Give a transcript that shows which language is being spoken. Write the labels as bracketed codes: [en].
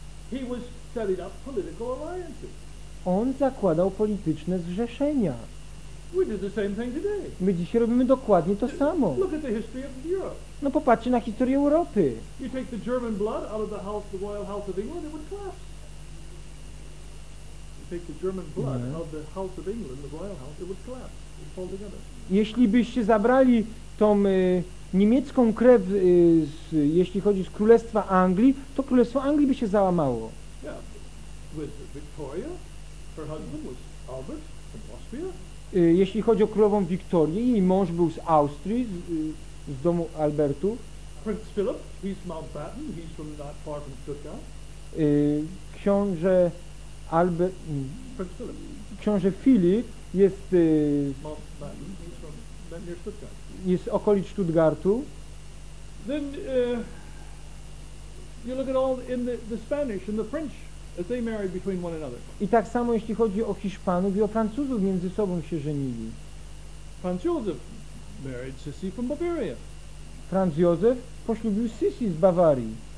[en] He was setting up political alliances. [pl] On zakładał polityczne zrzeszenia. [en] We do the same thing today. [pl] My dzisiaj robimy dokładnie to samo. [en] Look at the history of Europe. [pl] No popatrzcie na historię Europy. [en] You take the German blood out of the house, the royal house of England, it would collapse. Take the German blood out of the house of England, the royal house, it would collapse. It would fall together. [pl] Jeśli byście zabrali tą niemiecką krew, jeśli chodzi z Królestwa Anglii, to Królestwo Anglii by się załamało. [en] Yeah. With Victoria, her husband was Albert from Austria. [pl] Jeśli chodzi o królową Wiktorię, jej mąż był z Austrii, z domu Albertu. [en] Prince Philip, he's Mountbatten, he's from not far from Stuttgart. [pl] Książę Albert. [en] Prince Philip. [pl] Książę Filip jest. [en] Mountbatten, he's from near Stuttgart. [pl] Jest okolic Stuttgartu. [en] Then you look at all in the Spanish and the French. As they married between one another. [pl] I tak samo jeśli chodzi o Hiszpanów i o Francuzów, między sobą się żenili. [en] Franz Josef married Sissy from Bavaria. [pl] Franz Josef poślubił Sissy z Bawarii.